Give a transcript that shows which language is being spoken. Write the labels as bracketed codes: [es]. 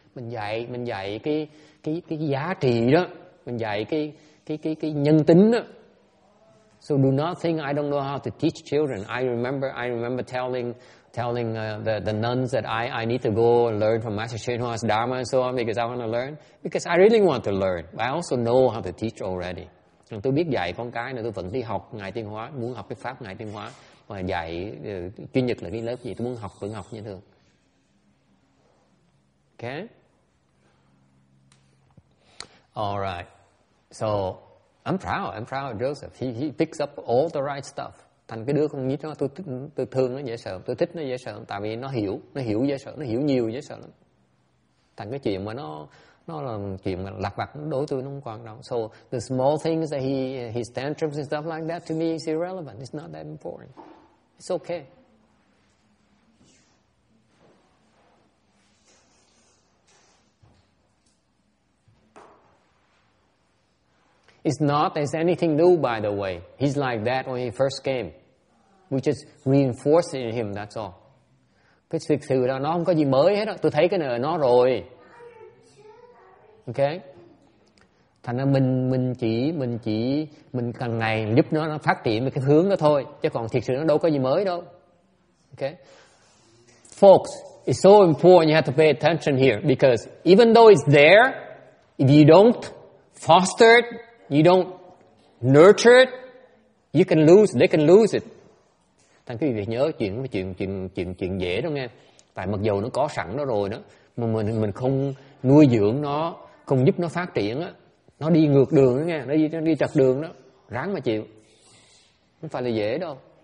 [vi] Mình dạy cái giá trị đó, mình dạy cái nhân tính đó. [en] So do not think I don't know how to teach children. I remember telling the nuns that I need to go and learn from Master Shenhua's Dharma and so on, because I want to learn, because I really want to learn. But I also know how to teach already. [vi] Tôi biết dạy con cái nữa, tôi vẫn đi học ngài Tiên Hóa, muốn học cái pháp ngài Tiên Hóa, và dạy chuyên nhật là cái lớp gì, tôi muốn học vẫn học như thường. [en] Okay. All right. So I'm proud of Joseph. He picks up all the right stuff. [vi] Thành cái đứa con nhít đó, tôi thương nó dễ sợ, tôi thích nó dễ sợ, tại vì nó hiểu dễ sợ, nó hiểu nhiều dễ sợ lắm. Thành cái chuyện mà nó là chuyện mà lặt vặt đối với tôi nó không quan trọng. [en] So the small things that he tantrums and stuff like that to me is irrelevant. It's not that important. It's okay. It's not as anything new, by the way. He's like that when he first came. We just reinforced it in him, that's all. [vi] Cái sự thử đó, nó không có gì mới hết đó. Tôi thấy cái này nó rồi. Okay? Thành ra mình càng ngày giúp nó phát triển cái hướng đó thôi. Chứ còn thiệt sự nó đâu có gì mới đâu. [en] Okay? Folks, it's so important you have to pay attention here. Because even though it's there, if you don't foster it, you don't nurture it, you can lose. They can lose it. [vi] Thành quý vị nhớ chuyện dễ đó nghe. Tại mặc dù nó có sẵn đó rồi đó, mà mình không nuôi dưỡng nó, không giúp nó phát triển á, nó đi ngược đường đó nghe, nó đi trật đường đó, ráng mà chịu. Không phải là dễ đâu.